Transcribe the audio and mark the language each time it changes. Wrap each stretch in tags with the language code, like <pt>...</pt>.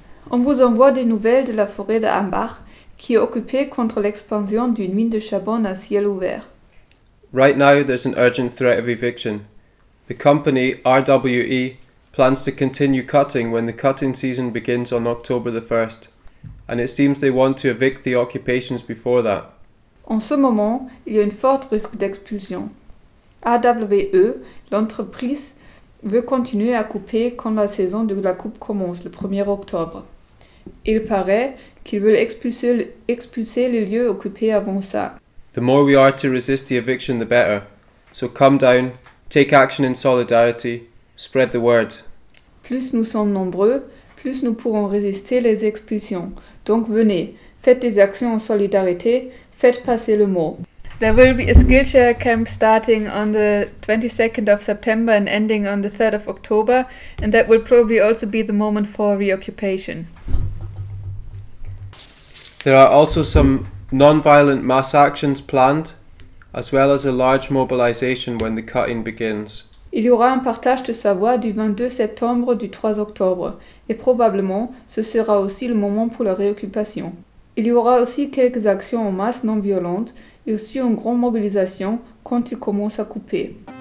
<fr>On vous envoie des nouvelles de la forêt de Hambach, qui est occupée contre l'expansion d'une mine de charbon à ciel ouvert.</fr> <en>Right now, there's an urgent threat of eviction. The company, RWE, plans to continue cutting when the cutting season begins on October the 1st, and it seems they want to evict the occupations before that.</en> <fr>En ce moment, il y a un fort risque d'expulsion. RWE, l'entreprise, veut continuer à couper quand la saison de la coupe commence le 1er octobre. Il paraît qu'ils veulent expulser les lieux occupés avant ça.</fr> <en>The more we are to resist the eviction, the better. So come down, take action in solidarity, spread the word.</en> <fr>Plus nous sommes nombreux, plus nous pourrons résister les expulsions. Donc venez, faites des actions en solidarité. Faites passer le mot.</fr> <en>There will be a Skillshare camp starting on the 22nd of September and ending on the 3rd of October, and that will probably also be the moment for reoccupation. There are also some non-violent mass actions planned, as well as a large mobilization when the cutting begins.</en> <fr>Il y aura un partage de savoir du 22 septembre du 3 octobre, et probablement ce sera aussi le moment pour la réoccupation. Il y aura aussi quelques actions en masse non violentes et aussi une grande mobilisation quand ils commencent à couper.</fr>